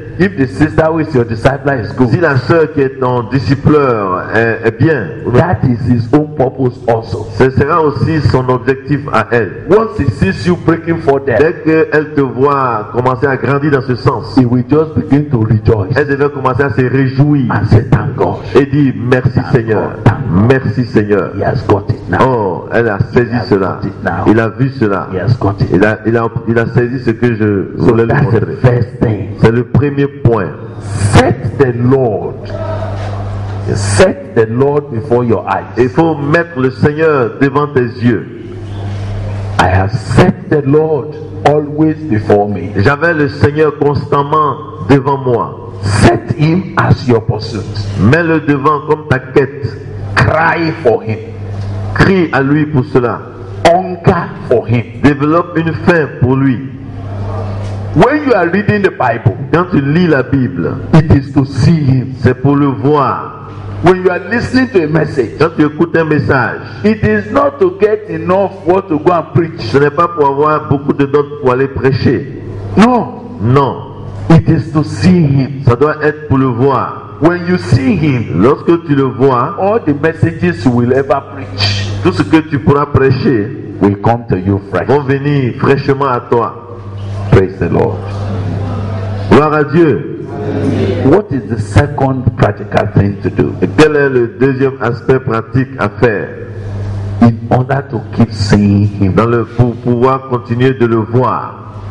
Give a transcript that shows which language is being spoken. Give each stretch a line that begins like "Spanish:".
English: If the sister who is your disciple is good,
French: si la sœur qui est ton discipleur est bien,
English: that is his own purpose also.
French: Ce sera aussi son objectif à elle.
English: Once he sees you breaking for them,
French: dès qu'elle te voit commencer à grandir dans ce sens,
English: he will just begin to rejoice.
French: Elle devait commencer à se réjouir.
English: And say, thank God.
French: Et dit merci
English: thank
French: Seigneur.
English: God,
French: merci Seigneur.
English: He has got it now.
French: Oh, elle a saisi
English: he
French: cela. Il a vu cela.
English: He has got it.
French: Il a saisi ce que je voulais
English: so
French: lui montrer.
English: That's the first thing.
French: C'est le premier point.
English: Set the Lord before your eyes.
French: Il faut mettre le Seigneur devant tes yeux.
English: I have set the Lord always before me.
French: J'avais le Seigneur constamment devant moi.
English: Set him as your pursuit.
French: Mets-le devant comme ta quête.
English: Cry for him.
French: Crie à lui pour cela.
English: Hunger for him.
French: Développe une faim pour lui.
English: When you are reading the Bible,
French: quand tu lis la Bible,
English: it is to see him.
French: C'est pour le voir.
English: When you are listening to a message,
French: quand tu écoutes un message,
English: it is not to get enough what to go and preach.
French: Ce n'est pas pour avoir beaucoup de notes pour aller prêcher. Non. Non.
English: It is to see him.
French: Ça doit être pour le voir.
English: When you see him,
French: lorsque tu le vois,
English: all the messages you will ever preach,
French: tout ce que tu pourras prêcher,
English: will come to you fresh.
French: Vont venir fraîchement à toi.
English: Praise the Lord.
French: Gloire à Dieu.
English: What is the second practical thing to do?
French: Quel est le deuxième aspect pratique à faire?
English: In order to keep seeing him.
French: Dans le, pour pouvoir continuer de le voir.